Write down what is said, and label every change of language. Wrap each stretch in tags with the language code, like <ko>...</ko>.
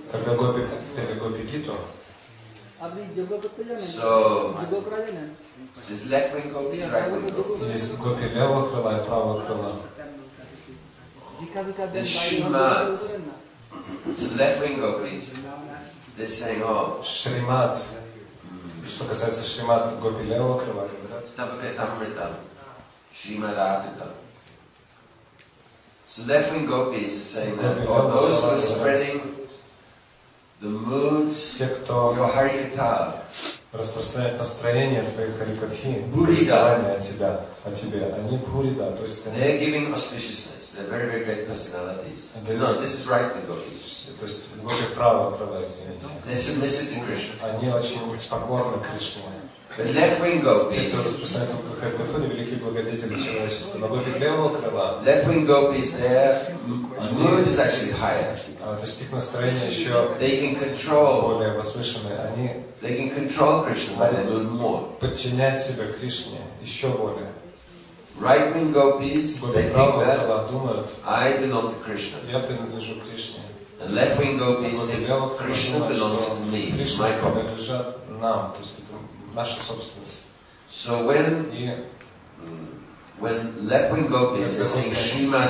<ru>Когда гопи пели гопи гиту.</ru> <en>So this left wing gopi is right wing gopi.</en> <ru>Здесь гопи левого крыла и правого крыла.</ru> <en>The Shrimad, the left wing gopis, they sang all.</en> <ru>Shrimad. Что касается Shrimad, гопи левого крыла. Тапакетамрита. Shrimad Atita.</ru> <en>So left wing gopis are saying that all those who are spreading the moods, your harikata,</en> <ru>распространяют настроение твоих харикатхи, представление о тебе, они бурида, то есть</ru> <en>they are giving auspiciousness, they are very very great personalities. No, this is right wing gopis.</en> <ru>То есть гопи правого крыла, извините.</ru> <en>They submissive to Krishna.</en> <ru>Они очень покорны Кришне.</ru> <en>But left wing gopis.</en> <ru>Те, кто распространяет только харикатхи, великие благодетели человечества. Но гопи левого крыла.</ru> <en>Left wing gopis, their mood is actually higher.</en> <ru>То есть их настроение еще.</ru> <en>They can control.</en> <ru>Более возвышенное. Они.</ru> <en>They can control Krishna by their mood more.</en> <ru>Подчинять себя Кришне еще более.</ru> <en>Right wing gopis. They think that</en> <ru>думают,</ru> <en>I belong to Krishna.</en> <ru>Я принадлежу Кришне.</ru> <en>And left wing gopis think Krishna belongs to me.</en> <ru>Кришна принадлежит нам. То есть наша собственность.</ru> <en>So when when left wing gopis are saying Shrimad</en>